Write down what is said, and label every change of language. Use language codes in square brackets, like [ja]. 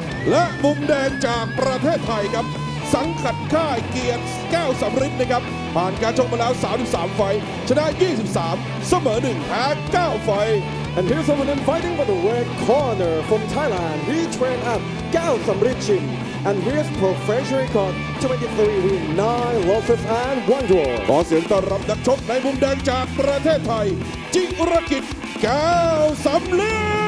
[th] และมุมแดงจากประเทศไทยครับสังกัดค่ายเกียรติแก้วสำริดนะครับผ่านการชกมาแล้ว33ไฟชนะ23เสมอ1แพ้9ไฟ [en] And here's some of them fighting for the red corner from Thailand. He trained at Gao Samritchin. And here's professional record 23 wins, 9 losses, and 1 draw. [th] ขอเสียงต้อนรับนักชกในมุมแดงจากประเทศไทยจิรกิจก้าวสำลี